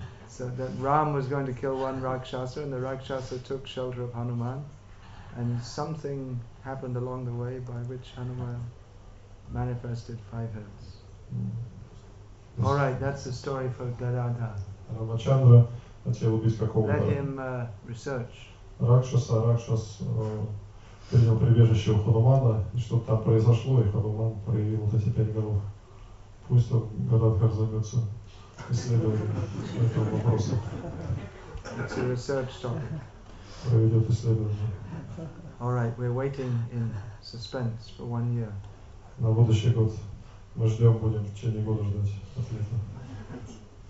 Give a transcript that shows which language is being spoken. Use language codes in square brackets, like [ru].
[en] So that Ram was going to kill one Rakshasa, and the Rakshasa took shelter of Hanuman, and something happened along the way by which Hanuman manifested five heads. Mm. All right, that's the story for Gadadhar. [ru] Рамачандра хотел убить какого-то. [en] Let him research. [ru] Ракшас. Принял прибежище у Ханумана, и что-то там произошло, и Хануман проявил вот эти 5 голов. Пусть он Гададхар займется исследованием этого вопроса. [en] It's a research topic. [ru] Проведет исследование. [en] All right, we're waiting in suspense for one year. [ru] На будущий год. Мы ждем, будем в течение года ждать ответа.